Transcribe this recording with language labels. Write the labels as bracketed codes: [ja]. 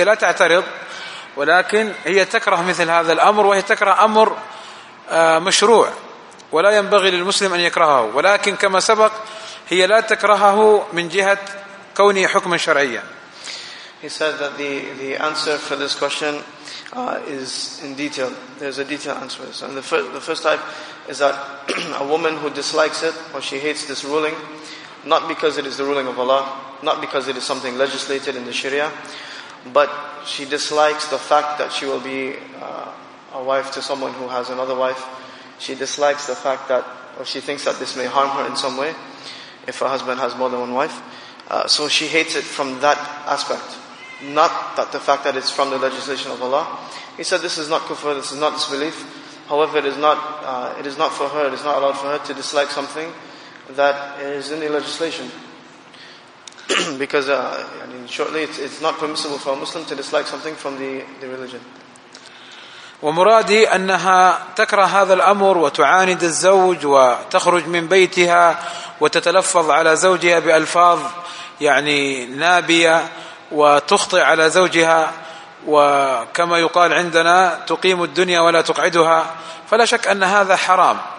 [ar] هي لا تعترض, ولكن هي تكره مثل هذا الأمر, وهي تكره أمر مشروع ولا ينبغي للمسلم أن يكرهه, ولكن كما سبق هي لا تكرهه من جهة كونه حكما شرعيا. [en] He said that the answer for this question is in detail. There's a detailed answer. And the first type is that a woman who dislikes it or she hates this ruling, not because it is the ruling of Allah, not because it is something legislated in the Sharia, but she dislikes the fact that she will be a wife to someone who has another wife. She dislikes the fact that, or she thinks that this may harm her in some way if her husband has more than one wife. So she hates it from that aspect, not that the fact that it's from the legislation of Allah. He said this is not kufr, this is not disbelief. However, it is not allowed for her to dislike something that is in the legislation. Because shortly, it's not permissible for a Muslim to dislike something from the religion. [ar] ومرادي أنها تكره هذا الأمر وتعاند الزوج وتخرج من بيتها وتتلفظ على زوجها بألفاظ يعني نابية وتخطئ على زوجها, وكما يقال عندنا تقيم الدنيا ولا تقعدها, فلا شك أن هذا حرام.